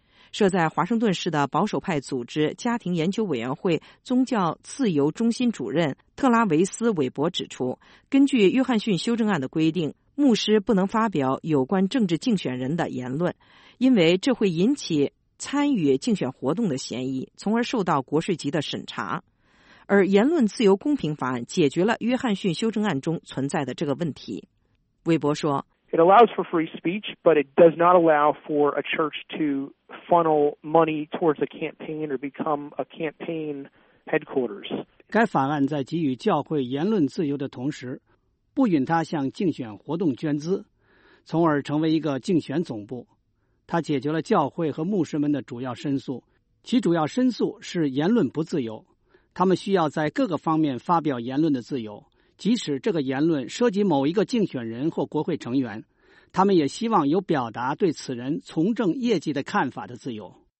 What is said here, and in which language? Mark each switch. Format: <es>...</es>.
<zh>设在华盛顿市的保守派组织家庭研究委员会宗教自由中心主任特拉维斯·韦伯指出，根据约翰逊修正案的规定，牧师不能发表有关政治竞选人的言论，因为这会引起参与竞选活动的嫌疑，从而受到国税局的审查。而言论自由公平法案解决了约翰逊修正案中存在的这个问题。韦伯说</zh> <en>：“It allows for free speech, but it does not allow for a church to funnel money towards a campaign or become a campaign headquarters.</en> <zh>该法案在给予教会言论自由的同时，不允他向竞选活动捐资，从而成为一个竞选总部。他解决了教会和牧师们的主要申诉，其主要申诉是言论不自由，他们需要在各个方面发表言论的自由，即使这个言论涉及某一个竞选人或国会成员，他们也希望有表达对此人从政业绩的看法的自由。</zh>